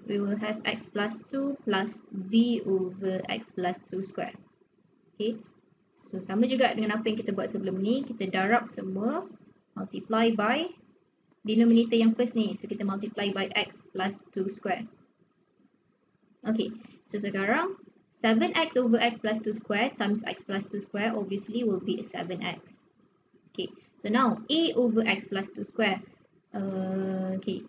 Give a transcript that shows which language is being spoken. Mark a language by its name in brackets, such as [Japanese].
[English] We will have x plus 2 plus b over x plus 2 square. Okay. [Malay] So, sama juga dengan apa yang kita buat sebelum ni. Kita darab semua. [English] Multiply by denominator [Malay] yang first ni. [English] So, kita multiply by x plus 2 square. Okay. So, sekarang 7x over x plus 2 square times x plus 2 square obviously will be 7x. Okay. So, now a over x plus 2 square. Okay.